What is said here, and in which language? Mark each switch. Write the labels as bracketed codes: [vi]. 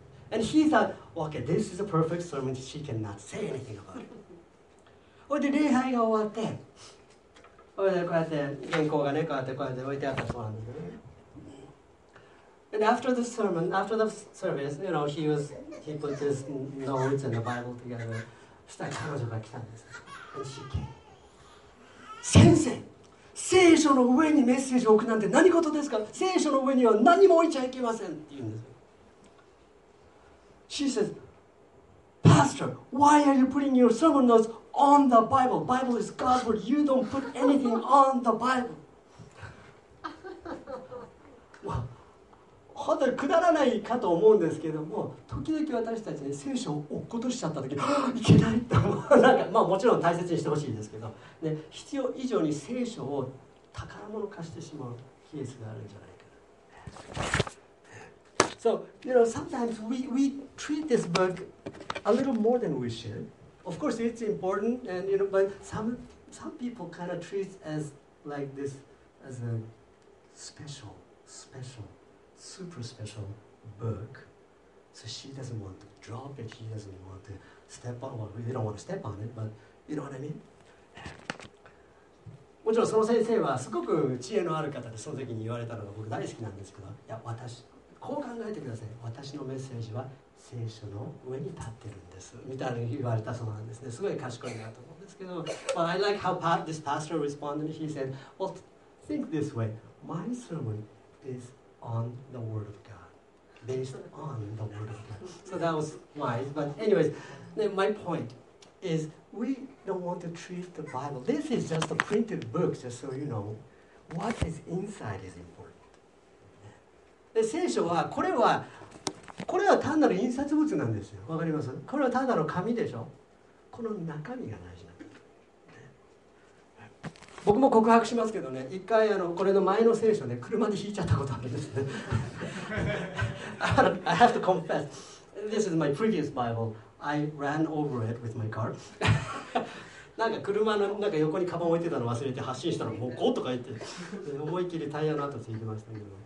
[en] And he thought, okay, this is a perfect sermon. She cannot say anything about it. [ja] で礼拝が終わって、でこうやって原稿がねこうやってこうやって置いてあったそうなんです。 [en] And after the sermon, after the service, you know, he put his notes and the Bible together. [ja] したら彼女が来たんです。 [en] And she came. [ja] 先生。聖書の上にメッセージを置くなんて何事ですか？聖書の上には何も置いちゃいけませんって言うんですよ。 [en] She says, Pastor, why are you putting your sermon notes on the Bible? Bible is God's word. You don't put anything on the Bible. [ja] 本当にくだらないかと思うんですけども、時々私たちに聖書を落っことしちゃった時、いけないと思う。なんか、まあもちろん大切にしてほしいですけど、ね、必要以上に聖書を宝物化してしまうケースがあるんじゃないかな。 [en] So, you know, sometimes we treat this book a little more than we should. Of course, it's important, and you know, but some people kind of treat as like this as a special. Super special book. So she doesn't want to drop it. She doesn't want to step on it. Well, we don't want to step on it, but you know what I mean? [ja] もちろんその先生はすごく知恵のある方でその時に言われたのが僕大好きなんですけど、いや私こう考えてください。私のメッセージは聖書の上に立ってるんですみたいに言われたそうなんですね。すごい賢いなと思うんですけど、 [en] well, I like how this pastor responded. He said, "Well, think this way. My sermon is." On the word of God, based on the word of God. So that was wise. But anyways, my point is, we don't want to treat the Bible. This is just a printed book, just so you know. What is inside is important. [ja] で、聖書はこれは単なる印刷物なんですよ。わかります？これは単なる紙でしょ。この中身が大事なんです。僕も告白しますけどね、一回これの前の聖書ね、車で引いちゃったことあるんですね。 [en] I have to confess, this is my previous Bible. I ran over it with my car. [ja] なんか車のなんか横にカバン置いてたの忘れて発進したらもうゴーとか言って、思いっきりタイヤの跡ついてましたけど。